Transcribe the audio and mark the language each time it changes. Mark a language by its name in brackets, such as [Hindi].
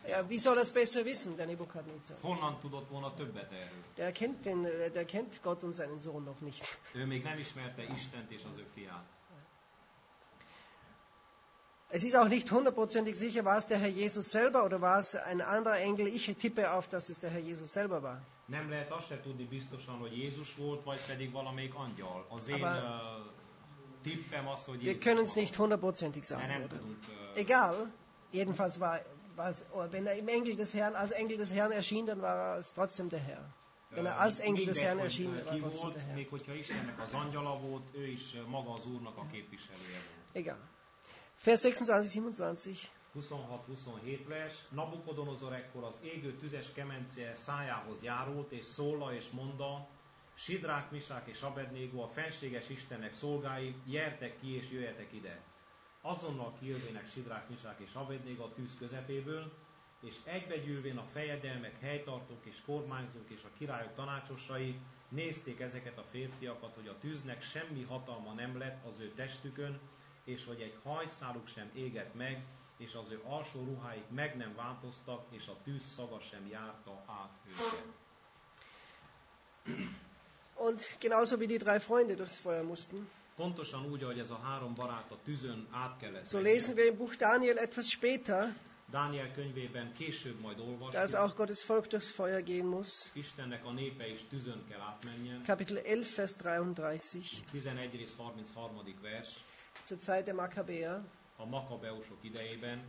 [German] Ja, wie soll das besser wissen, der Nebukadnezar? [Hungarian] Honnan tudott volna többet erről? [German] Der kennt Gott und seinen Sohn noch nicht. [Hungarian] Ő még nem ismerte Istent és az ő fiát. [German] Es ist auch nicht hundertprozentig sicher, war es der Herr Jesus selber oder war es ein anderer Engel. Ich tippe auf, dass es der Herr Jesus selber war. [Hungarian] Nem lehet azt se tudni biztosan, hogy Jézus volt, vagy pedig valamelyik angyal. Az én [German] Wir können es nicht hundertprozentig sagen, oder? Egal, jedenfalls war es, wenn er im Engel des Herrn, als Engel des Herrn erschien, dann war er es trotzdem der Herr. Wenn er als Engel des Herrn erschien, dann war er trotzdem der Herr. [Hungarian] Még hogyha Istennek az angyala volt, ő is maga az Úrnak a képviselője volt. [German] Egal. Vers 26-27. [Hungarian] 26-27 vers. Nabukodonozor ekkor az égő tüzes kemence szájához járult, és szóla és mondta, Sidrák, Misák és Abednégó, a fenséges Istennek szolgái, gyertek ki és jöjjetek ide. Azonnal kijövének Sidrák, Misák és Abednégó a tűz közepéből, és egybegyűlvén a fejedelmek, helytartók és kormányzók és a királyok tanácsosai nézték ezeket a férfiakat, hogy a tűznek semmi hatalma nem lett az ő testükön, és hogy egy hajszáluk sem égett meg, és az ő alsó ruháik meg nem változtak, és a tűz szaga sem járta át őket. [German] Und genauso wie die drei Freunde durchs Feuer mussten. [Hungarian] Pontosan úgy, ahogy ez a három barát a tüzön át kellett. [German] So lesen wir im Buch Daniel etwas später. [Hungarian] Daniel könyvében később majd olvasjuk. [German] Dass auch Gottes Volk durchs Feuer gehen muss. [Hungarian] Istennek a népe is tüzön kell átmenjen. [German] Kapitel 11 Vers 33. [Hungarian] 11 rész 33. vers. [German] Zur Zeit der Makkabäer. [Hungarian] A Makkabeusok idejében.